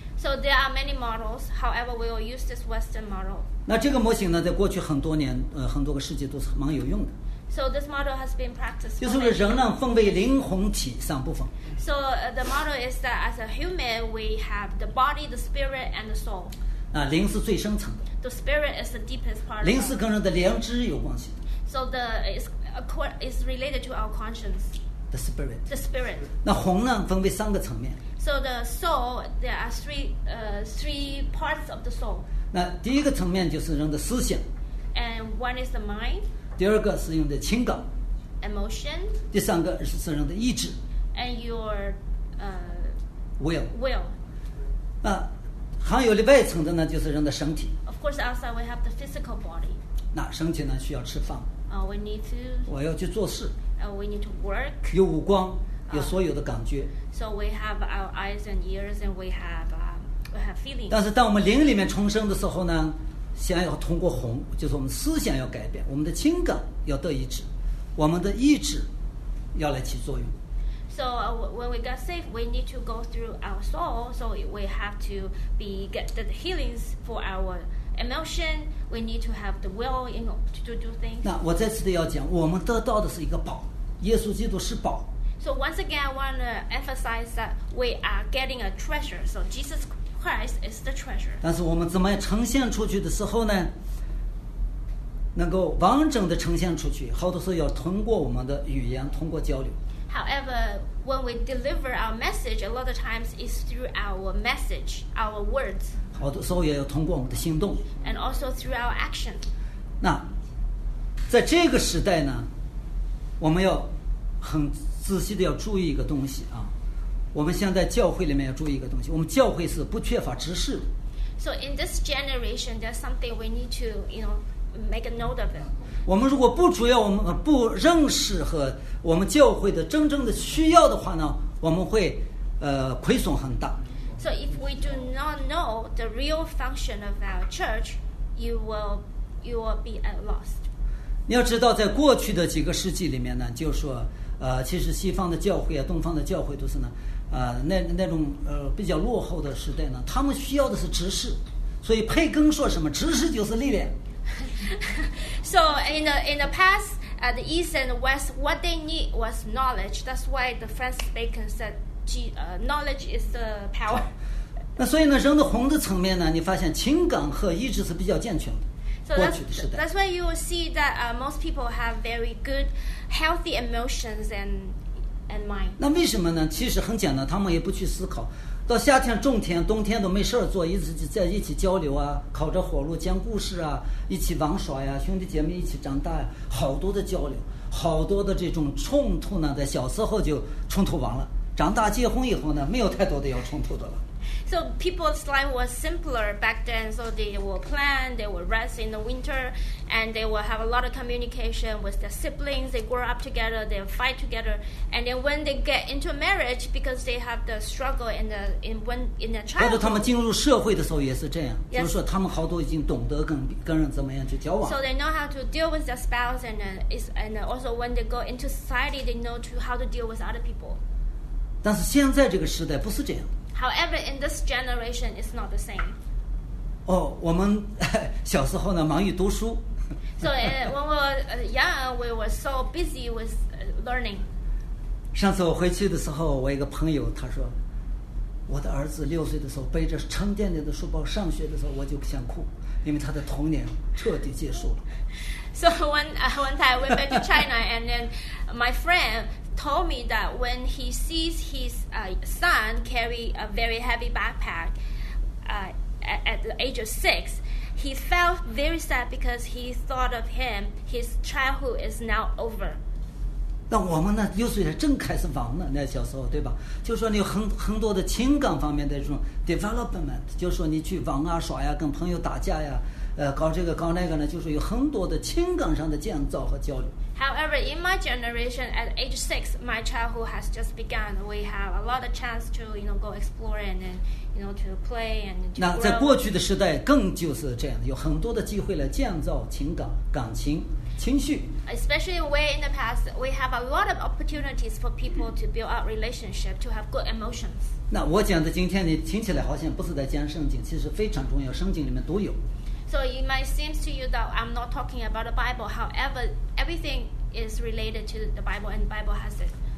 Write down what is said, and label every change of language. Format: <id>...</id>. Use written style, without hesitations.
<en>So there are many models. However, we will use this Western model.</en> <zh>那这个模型呢，在过去很多年，很多个世纪都是蛮有用的。</zh> <en>So this model has been practiced.</en> <zh>就是人呢，分为灵魂体三部分。</zh> <en>So the model is that as a human, we have the body, the spirit, and the soul.</en> <zh>那灵是最深层的。</zh> <en>The spirit is the deepest part.</en> <zh>灵是跟人的良知有关系。</zh> <en>So it's related to our conscience. The spirit. The spirit.</en> <zh>那魂呢，分为三个层面。</zh> <en>So the soul, there are three parts of the soul.</en> <zh>那第一个层面就是人的思想。</zh> <en>And one is the mind.</en> <zh>第二个是人的情感。</zh> <en>Emotion.</en> <zh>第三个是人的意志。</zh> <en>And your will. Will.</en> <zh>那还有另外一层的呢，就是人的身体。</zh> <en>Of course, outside we have the physical body.</en> <zh>那身体呢需要吃饭。</zh> <en>We need to.</en> <zh>我要去做事。</zh> <en>We need to work.</en> <zh>有五官，有所有的感觉。</zh> <en>So we have our eyes and ears, and we have feelings.</en> <zh>但是当我们灵里面重生的时候呢，先要通过魂，就是我们思想要改变，我们的情感要得医治，我们的意志要来起作用。</zh> <en>So when we got saved, we need to go through our soul. So we have to get the healings for our emotion. We need to have the will, to do things.</en> <zh>那我再次的要讲，我们得到的是一个宝，耶稣基督是宝。</zh> <en>So once again, I want to emphasize that we are getting a treasure. So Jesus Christ is the treasure.</en> <zh>但是我们怎么呈现出去的时候呢？能够完整的呈现出去，好多时候要通过我们的语言，通过交流。</zh> <en>However, when we deliver our message, a lot of times it's through our message, our words.</en> <zh>好多时候也要通过我们的行动。</zh> <en>And also through our action.</en> <zh>那在这个时代呢，我们要很仔细的要注意一个东西啊。我们现在教会里面要注意一个东西，我们教会是不缺乏知识的。</zh> <en>So in this generation, there's something we need to, make a note of it.</en> <zh>我们如果不主要，我们不认识和我们教会的真正的需要的话呢，我们会亏损很大。</zh> <en>So if we do not know the real function of our church, you will be at lost.</en> <zh>你要知道，在过去的几个世纪里面呢，就是说其实西方的教会啊，东方的教会都是呢，那种比较落后的时代呢，他们需要的是知识，所以培根说什么，知识就是力量。</zh> <en>So in the past, the East and the West, what they need was knowledge. That's why the Francis Bacon said, knowledge is the power.</en> <zh>那所以呢，人的魂的层面呢，你发现情感和意志是比较健全的。</zh> <en>So that's why you will see that most people have very good, healthy emotions and mind.</en> <zh>那为什么呢？其实很简单，他们也不去思考。到夏天种田，冬天都没事做，一直在一起交流啊，烤着火炉讲故事啊，一起玩耍呀、啊，兄弟姐妹一起长大呀、啊，好多的交流，好多的这种冲突呢，在小时候就冲突完了，长大结婚以后呢，没有太多的要冲突的了。</zh> <en>So people's life was simpler back then, so they will plan, they will rest in the winter, and they will have a lot of communication with their siblings, they grow up together, they fight together, and then when they get into marriage, because they have the struggle in their childhood.</en> <zh>或者他们进入社会的时候也是这样，就是说他们好多已经懂得跟人怎么样去交往。</zh> <en>So they know how to deal with their spouse, and also when they go into society, they know how to deal with other people.</en> <zh>但是现在这个时代不是这样。</zh> <en>However, in this generation, it's not the same.</en> <zh>Oh, 我们小时候呢忙于读书。</zh> <en>So when we were young, we were so busy with learning.</en> <zh>上次我回去的时候，我一个朋友他说，我的儿子六岁的时候背着沉甸甸的书包上学的时候，我就想哭，因为他的童年彻底结束了。</zh> <en>So one time we went to China, and then my friend. Told me that when he sees his son carry a very heavy backpack at the age of 6, he felt very sad because he thought of him, his childhood is now over.</en> <zh>那我们呢，六岁正开始玩呢，那小时候对吧？就说你有很多的情感方面的这种 development， 就说你去玩啊耍呀，跟朋友打架呀，搞这个搞那个呢，就是有很多的情感上的建造和交流。</zh> <en>However, in my generation, at age 6, my childhood has just begun. We have a lot of chance to, you know, go explore and then, you know, to play and to grow.</en> <zh>那在过去的时代更就是这样的，有很多的机会来建造情感、感情、情绪。</zh> <en>Especially way in the past, we have a lot of opportunities for people to build up relationship, to have good emotions.</en> <zh>那我讲的今天你听起来好像不是在讲圣经，其实非常重要，圣经里面都有。</zh> <en>So it might seem to you that I'm not talking about the Bible. However, everything is related to the Bible, and the Bible has it.</en>